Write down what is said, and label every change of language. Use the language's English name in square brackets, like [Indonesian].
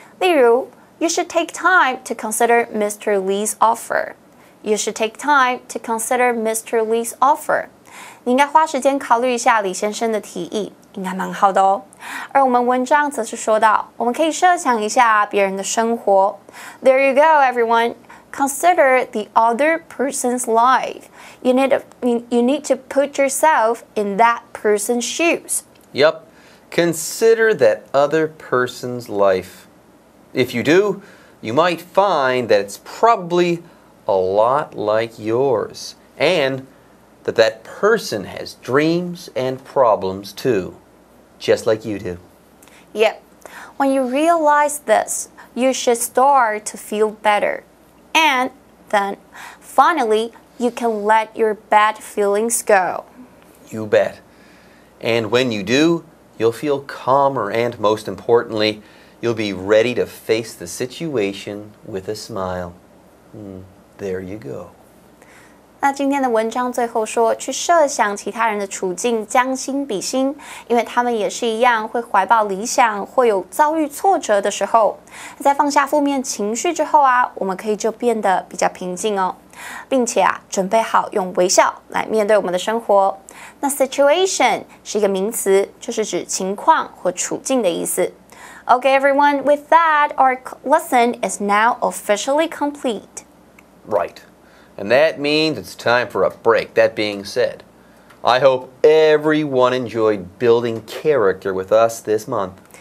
[Chinese] 例如 [English] ，You should take time to consider Mr. Lee's offer. You should take time to consider Mr. Lee's offer. [Chinese] 你应该花时间考虑一下李先生的提议，应该蛮好的哦。而我们文章则是说到，我们可以设想一下别人的生活。 [English] There you go, everyone. Consider the other person's life. You need to put yourself in that person's shoes. Yep. Consider that other person's life. If you do, you might find that it's probably a lot like yours. And... That person has dreams and problems too, just like you do. Yep. When you realize this, you should start to feel better. And then, finally, you can let your bad feelings go. You bet. And when you do, you'll feel calmer and, most importantly, you'll be ready to face the situation with a smile. There you go. [Chinese] 那今天的文章最后说，去设想其他人的处境，将心比心，因为他们也是一样会怀抱理想，会有遭遇挫折的时候。在放下负面情绪之后啊，我们可以就变得比较平静哦，并且啊，准备好用微笑来面对我们的生活。那 situation 是一个名词，就是指情况或处境的意思。 Okay, everyone, with that, our lesson is now officially complete. Right. And that means it's time for a break. That being said, I hope everyone enjoyed building character with us this month.